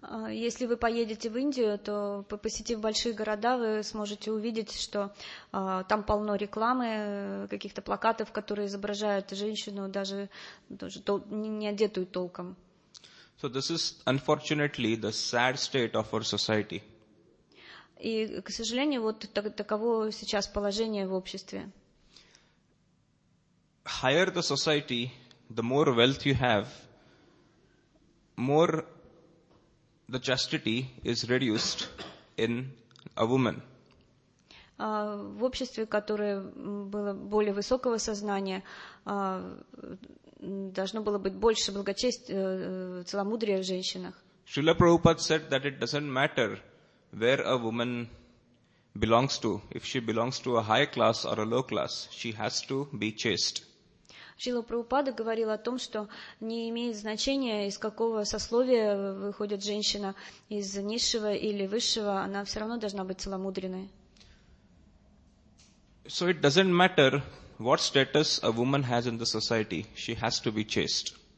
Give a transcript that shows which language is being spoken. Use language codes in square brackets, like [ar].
[ru] Если вы поедете в Индию, то посетив большие города, вы сможете увидеть, что там полно рекламы, каких-то плакатов, которые изображают женщину, даже не одетую толком. [en] So this is unfortunately the sad state of our society. [ru] И, к сожалению, вот таково сейчас положение в обществе. [en] Higher the society, the more wealth you have, more the chastity is reduced in a woman. [ru] В обществе, которое было более высокого сознания, должно было быть больше благочестия, целомудрия в женщинах. [en] Srila Prabhupada said that it doesn't matter where a woman belongs to. If she belongs to a high class or a low class, she has to be chaste. [ru] Шрила Прабхупада говорил о том, что не имеет значения, из какого сословия выходит женщина, из низшего или высшего, она все равно должна быть целомудренной. [en] So it doesn't matter what status a woman has in the society, she has to be chaste.